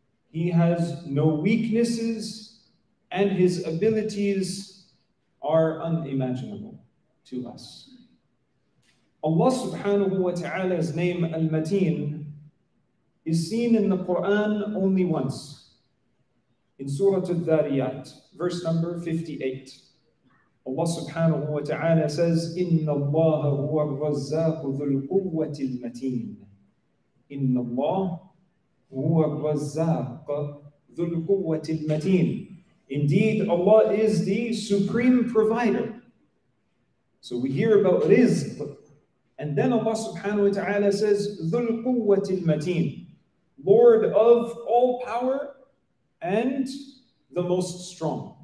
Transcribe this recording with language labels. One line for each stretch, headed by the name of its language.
English: He has no weaknesses, and his abilities are unimaginable to us. Allah subhanahu wa ta'ala's name Al-Mateen is seen in the Quran only once, in Surah Al-Dhariyat, verse number 58.
Arabic: Allah subhanahu wa ta'ala says, إِنَّ اللَّهَ هُوَ الرَّزَّاقُ ذُو الْقُوَّةِ الْمَتِينَ إِنَّ اللَّهَ هُوَ الرَّزَّاقُ ذُو الْقُوَّةِ الْمَتِينَ.
English: Indeed, Allah is the supreme provider. So we hear about rizq. And then Allah subhanahu wa ta'ala says,
Arabic: ذُو الْقُوَّةِ الْمَتِينَ,
English: Lord of all power and the most strong.